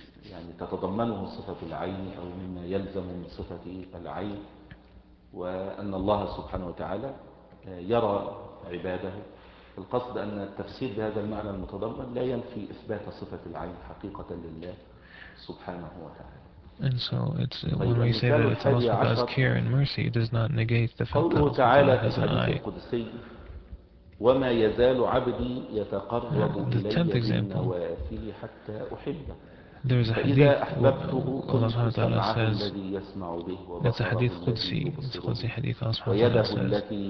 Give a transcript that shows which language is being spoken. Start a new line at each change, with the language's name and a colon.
Arabic: يعني تتضمنه صفة العين أو مما يلزم من صفة العين وأن الله سبحانه وتعالى يرى عباده. القصد أن التفسير بهذا المعنى المتضمن لا ينفي إثبات صفة العين حقيقة لله سبحانه وتعالى.
English: And so it's when we say that it's Allah who has care and mercy, it does not negate the fact that Allah has an eye.
Arabic: وما يزال عبدي يتقرب إلي حتى أحبه.
English: There is a hadith, Allah subhanahu wa ta'ala says, that's a hadith Qudsi, it's a Qudsi hadith, Allah subhanahu wa ta'ala says,